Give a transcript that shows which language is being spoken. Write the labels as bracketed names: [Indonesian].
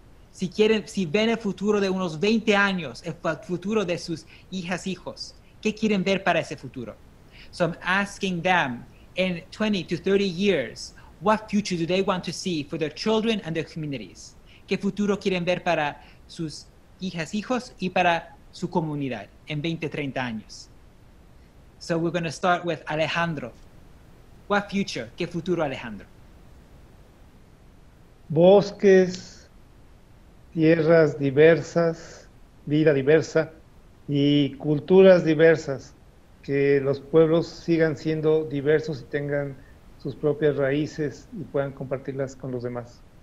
[Spanish] Si ven el futuro de unos 20 años, el futuro de sus hijas, hijos, ¿qué quieren ver para ese futuro? [English] So I'm asking them, in 20 to 30 years, what future do they want to see for their children and their communities? [Spanish] ¿Qué futuro quieren ver para sus hijas, hijos y para su comunidad en 20, 30 años? [English] So we're going to start with Alejandro. What future? [Spanish] ¿Qué futuro, Alejandro? Bosques, tierras diversas, vida diversa y culturas diversas, que los pueblos sigan siendo diversos y tengan sus propias raíces y puedan compartirlas con los demás.